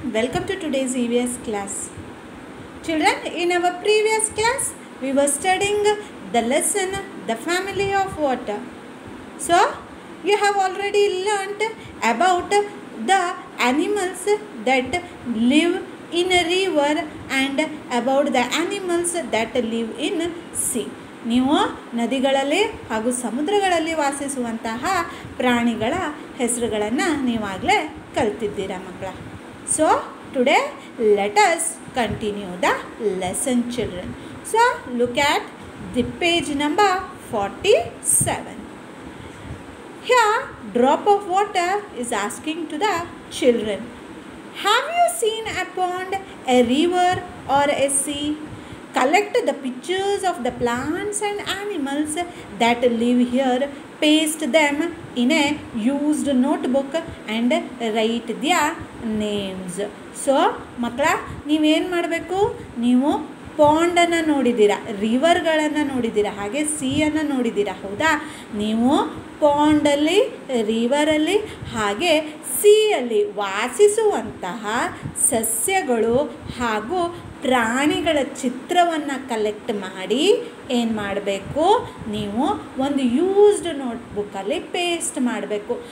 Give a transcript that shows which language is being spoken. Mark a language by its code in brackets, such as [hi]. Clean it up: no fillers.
[en] Welcome to today's EVS class. Children, in our previous class, we were studying the lesson, The Family of Water. So, you have already learnt about the animals that live in a river and about the animals that live in sea. [kn] ನೀವು ನದಿಗಳಲ್ಲಿ ಹಾಗೂ ಸಮುದ್ರಗಳಲ್ಲಿ ವಾಸಿಸುವಂತಹ ಪ್ರಾಣಿಗಳ ಹೆಸರುಗಳನ್ನು ನೀವಾಗಲೇ ಕಲ್ತಿದ್ದೀರಾ ಮಕ್ಕಳ. [en] So today let us continue the lesson children. So look at the page number 47. Here drop of water is asking to the children, have you seen a pond, a river or a sea? Collect the pictures of the plants and animals that live here, paste them in a used notebook and write their names. [kn] So, ಮಕ್ಕಳ ನೀವೇನು ಮಾಡಬೇಕು, ನೀವು ಪಾಂಡನ್ನು ನೋಡಿದ್ದೀರಾ, ರಿವರ್ಗಳನ್ನು ನೋಡಿದ್ದೀರಾ, ಹಾಗೆ ಸೀಯನ್ನು ನೋಡಿದ್ದೀರಾ, ಹೌದಾ? ನೀವು ಪಾಂಡಲ್ಲಿ, ರಿವರಲ್ಲಿ, ಹಾಗೆ ಸೀಯಲ್ಲಿ ವಾಸಿಸುವಂತಹ ಸಸ್ಯಗಳು ಹಾಗೂ ಪ್ರಾಣಿಗಳ ಚಿತ್ರವನ್ನು ಕಲೆಕ್ಟ್ ಮಾಡಿ ಏನು ಮಾಡಬೇಕು, ನೀವು ಒಂದು ಯೂಸ್ಡ್ ನೋಟ್ಬುಕ್ಕಲ್ಲಿ ಪೇಸ್ಟ್ ಮಾಡಬೇಕು.